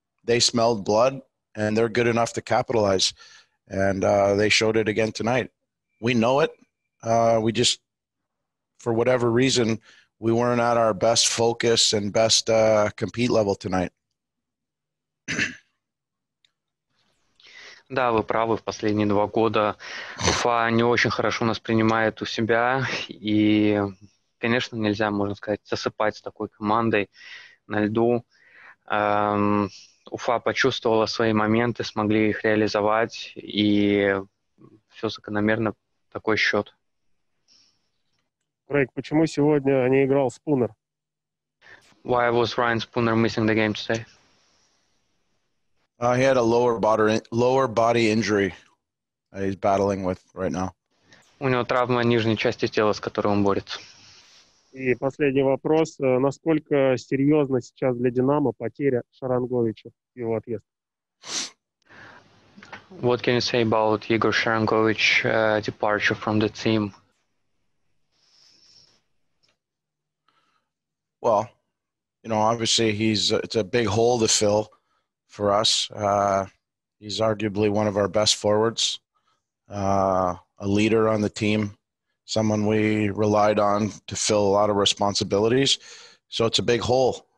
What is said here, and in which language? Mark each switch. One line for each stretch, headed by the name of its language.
English: They smelled blood, and they're good enough to capitalize. And they showed it again tonight. We know it. We just, for whatever reason, we weren't at our best focus and best compete level tonight.
Russian: Да, вы правы, в последние 2 года Уфа не очень хорошо нас принимает у себя, и, конечно, нельзя, можно сказать, засыпать с такой командой на льду. Уфа почувствовала свои моменты, смогли их реализовать, и все закономерно, такой счет. Крейг, почему сегодня не играл Спунер?
English: Why was Ryan Spooner missing the game today? He had a lower body injury that he's battling with right now.
Russian: У него травма нижней части тела, с которой он борется. И последний вопрос. Насколько серьезна сейчас для «Динамо» потеря Шаранговича и его отъезд?
English: What can you say about Igor Sharangovich departure from the team? Well, you know, obviously it's a big hole to fill for us. He's arguably one of our best forwards, a leader on the team, someone we relied on to fill a lot of responsibilities. So it's a big hole.